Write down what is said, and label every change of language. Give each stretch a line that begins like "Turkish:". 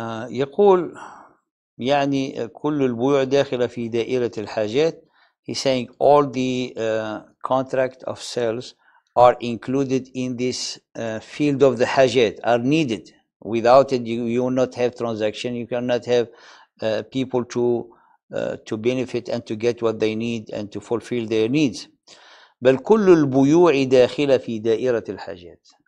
Arabic: يقول يعني كل البيوع داخل في دائرة الحاجات.
English: He's saying all the contract of sales are included in this field of the حاجات, are needed. Without it, you will not have transaction. You cannot have people to benefit and to get what they need and to fulfill their needs.
Arabic: بل كل البيوع داخل في دائرة الحاجات.